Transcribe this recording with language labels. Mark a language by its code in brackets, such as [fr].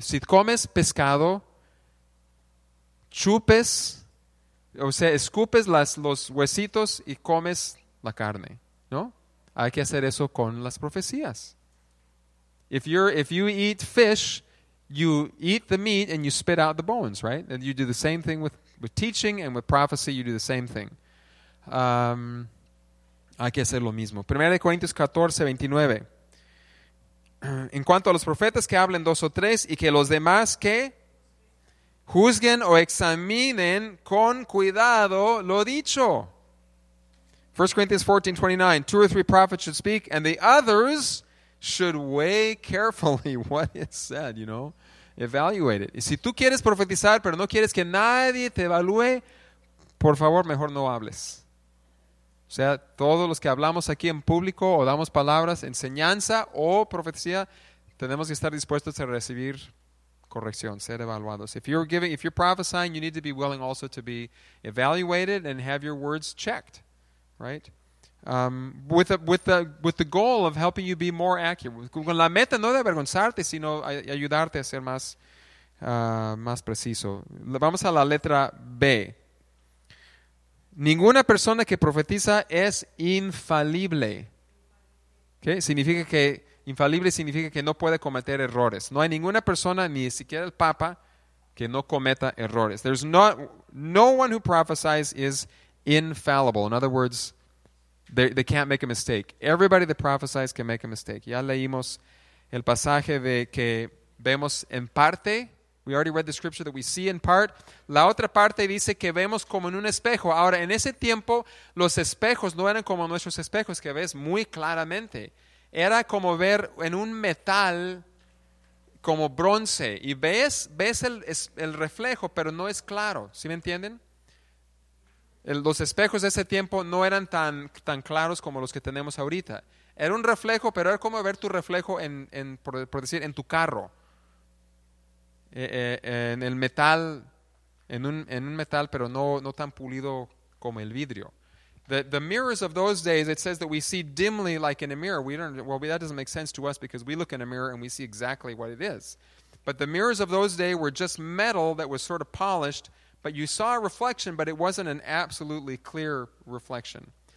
[es] Si comes pescado, chupes, o sea, escupes los huesitos y comes la carne, ¿no? Hay que hacer eso con las profecías. [en] If you eat fish, you eat the meat and you spit out the bones, right? And you do the same thing with teaching and with prophecy, you do the same thing. [es] Hay que hacer lo mismo. 1 Corintios 14, 29. En cuanto a los profetas, que hablen dos o tres y que los demás, ¿qué? Juzguen o examinen con cuidado lo dicho. [en] 1 Corinthians 14, 29. Two or three prophets should speak and the others should weigh carefully what is said, you know. Evaluate it. [es] Y si tú quieres profetizar pero no quieres que nadie te evalúe, por favor, mejor no hables. O sea, todos los que hablamos aquí en público o damos palabras, enseñanza o profecía, tenemos que estar dispuestos a recibir corrección, ser evaluados. [en] If you're prophesying, you need to be willing also to be evaluated and have your words checked, right? With the goal of helping you be more accurate. [es] Con la meta no de avergonzarte, sino ayudarte a ser más preciso. Vamos a la letra B. Ninguna persona que profetiza es infalible. ¿Qué? Significa que infalible significa que no puede cometer errores. No hay ninguna persona, ni siquiera el Papa, que no cometa errores. [en] There's not, no one who prophesies is infallible. In other words, they can't make a mistake. Everybody that prophesies can make a mistake. [es] Ya leímos el pasaje de que vemos en parte. [en] We already read the scripture that we see in part. [es] La otra parte dice que vemos como en un espejo. Ahora, en ese tiempo, los espejos no eran como nuestros espejos, que ves muy claramente. Era como ver en un metal, como bronce. Y ves el reflejo, pero no es claro. ¿Sí me entienden? Los espejos de ese tiempo no eran tan claros como los que tenemos ahorita. Era un reflejo, pero era como ver tu reflejo en tu carro. En el metal, en un metal, pero no tan pulido como el vidrio. [en] The mirrors of those days, it says that we see dimly like in a mirror. That doesn't make sense to us because we look in a mirror and we see exactly what it is. But the mirrors of those days were just metal that was sort of polished, but you saw a reflection, but it wasn't an absolutely clear reflection.